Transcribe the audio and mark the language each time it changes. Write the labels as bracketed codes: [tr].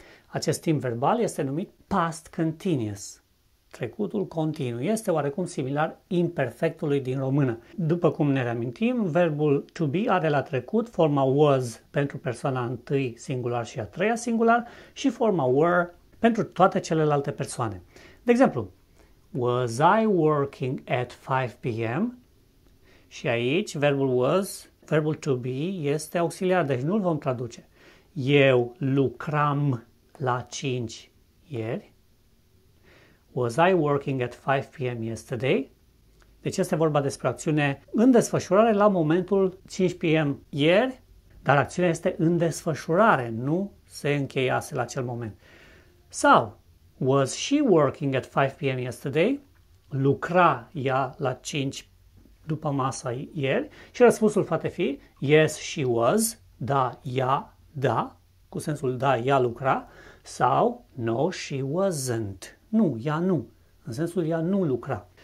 [ro] Acest timp verbal este numit past continuous, trecutul continuu. Este oarecum similar imperfectului din română. După cum ne reamintim, verbul to be are la trecut forma was pentru persoana întâi singular și a treia singular și forma were pentru toate celelalte persoane. De exemplu, [en] was I working at 5 p.m.? [ro] Și aici verbul was, verbul to be este auxiliar, deci nu-l vom traduce. Eu lucram la 5 ieri. [en] Was I working at 5 p.m. yesterday? [ro] Deci este vorba despre acțiune în desfășurare la momentul 5 p.m. ieri, dar acțiunea este în desfășurare, nu se încheiase la acel moment. Sau, [en] was she working at 5 p.m. yesterday? [ro] Lucra ea la 5 după masa ieri? Și răspunsul poate fi, [en] yes, she was, [ro] da, ea, da, cu sensul da, ea lucra, sau, [en] no, she wasn't. [ro] Nu, ea nu. În sensul ea nu lucra.